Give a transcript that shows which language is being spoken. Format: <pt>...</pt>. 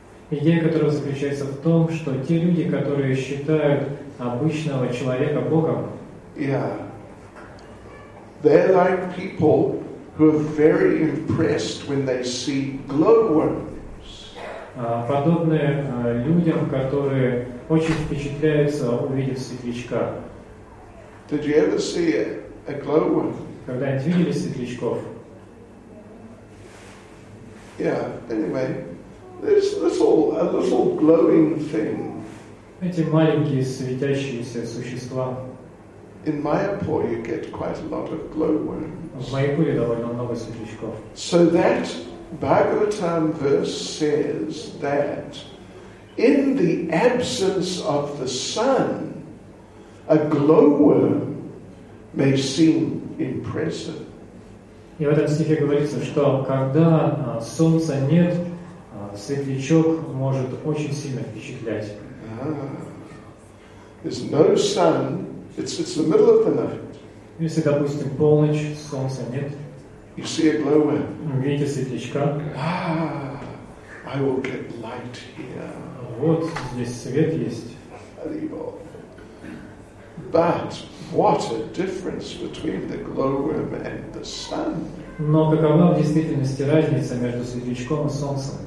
<ru>Идея которого заключается в том, что те люди, которые считают обычного человека Богом,</ru> <en>yeah, they're like people who are very impressed when they see glowworms.</en> <ru>Подобные людям, которые очень впечатляются, увидев светлячка.</ru> <en>Did you ever see a glowworm?</en> <ru>Когда-нибудь видели светлячков?</ru> <en>Yeah, anyway. This little glowing thing.</en> <ru>Эти маленькие светящиеся существа.</ru> <en>In Mayapur you get quite a lot of glowworms.</en> <ru>В Майпуре довольно много светлячков.</ru> <en>So that Bhagavatam verse says that in the absence of the sun, a glowworm may seem impressive.</en> <ru>И в этом стихе говорится, что когда солнца нет, светлячок может очень сильно впечатлять.</ru> <en>There's no sun. It's the middle of the night.</en> <ru>Если, допустим, полночь, солнца нет.</ru> <en>You see a glowworm.</en> <ru>Видите светлячка?</ru> <en>Ah, I will get light here.</en> <ru>Вот здесь свет есть.</ru> <en>But what a difference between the glowworm and the sun.</en> <ru>Но какова в действительности разница между светлячком и солнцем?</ru>